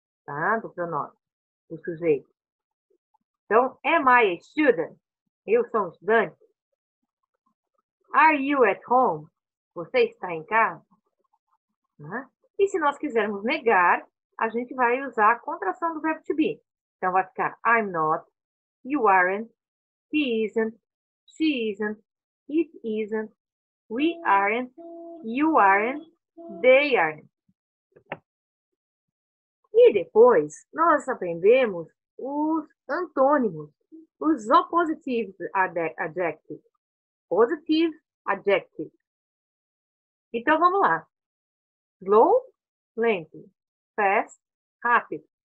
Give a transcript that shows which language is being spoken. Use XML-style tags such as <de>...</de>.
<pt>Tá? Do pronome. Do sujeito. Então,</pt> <en>am I a student?</en> <pt>Eu sou um estudante.</pt> <en>Are you at home?</en> <pt>Você está em casa? Né? E se nós quisermos negar, a gente vai usar a contração do verbo to be. Então, vai ficar</pt> <en>I'm not, you aren't, he isn't, she isn't, it isn't, we aren't, you aren't, they aren't.</en> <pt>E depois, nós aprendemos os antônimos, os opposite adjectives. Positive adjective. Então, vamos lá. Slow, lento. Fast, rápido.</pt>